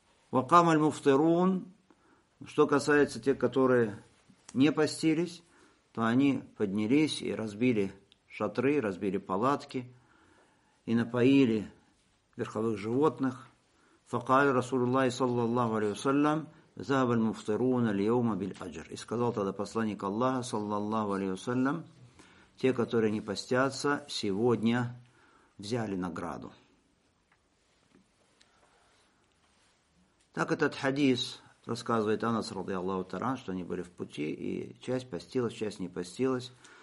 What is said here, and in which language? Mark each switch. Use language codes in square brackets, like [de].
[ar] وقام المفطرون, [ru] что касается тех, которые не постились, то они поднялись и разбили шатры, разбили палатки и напоили верховых животных. [ar] فقال رسول الله صلى الله عليه وسلم ذهب المفطرون اليوم بالأجر. [ru] И сказал тогда посланник Аллаха [ar] صلى الله عليه وسلم, [ru] те, которые не постятся, сегодня взяли награду. Так этот хадис рассказывает Анас ради Аллаху Таран, что они были в пути, и часть постилась, часть не постилась.